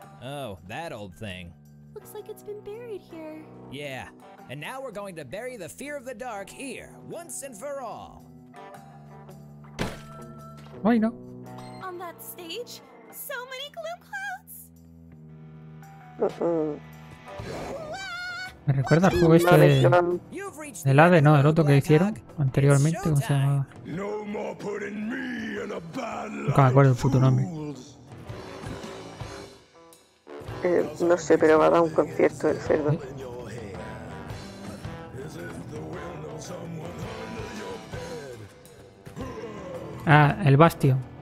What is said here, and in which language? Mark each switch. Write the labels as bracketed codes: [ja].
[en] Oh, that old thing. Looks like it's been buried here. Yeah. And now we're going to bury the fear of the dark here, once and for all. Why no? On that stage, so many gloom clouds. [es] Me recuerda al juego este del ave, no, el otro que hicieron anteriormente, ¿cómo se llamaba? [en] No more putting me in a bad light. [es] Nunca me acuerdo el puto nombre. No sé, pero va a dar un concierto el cerdo. ¿Eh? Ah, el Bastio.